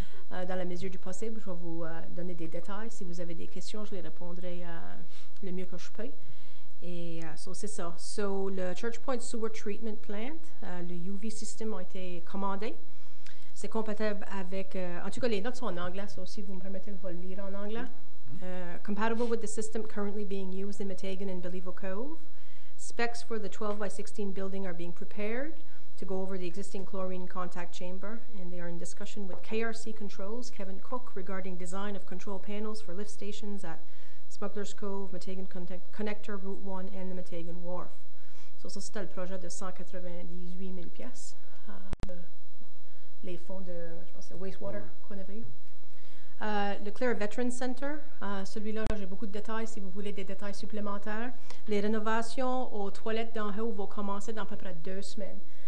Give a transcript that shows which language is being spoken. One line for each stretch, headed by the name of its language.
French: Dans la mesure du possible, je vais vous donner des détails. Si vous avez des questions, je les répondrai le mieux que je peux. Et c'est ça. So, le Church Point Sewer Treatment Plant, le UV System a été commandé. C'est compatible avec, en tout cas les notes sont en anglais, so, si vous me permettez, je vais le lire en anglais.
English: Compatible with the system currently being used in Matagan and Balevo Cove. Specs for the 12x16 building are being prepared to go over the existing chlorine contact chamber. And they are in discussion with KRC Controls, Kevin Cook, regarding design of control panels for lift stations at Smuggler's Cove, Matagan Connector, Route 1, and the Matagan Wharf.
French: So, ça, c'était le projet de 198 000 pièces, les fonds de, je pense, de wastewater qu'on avait eu. Le Clare Veterans Center, celui-là, j'ai beaucoup de détails si vous voulez des détails supplémentaires. Les rénovations aux toilettes d'en haut vont commencer dans à peu près 2 semaines.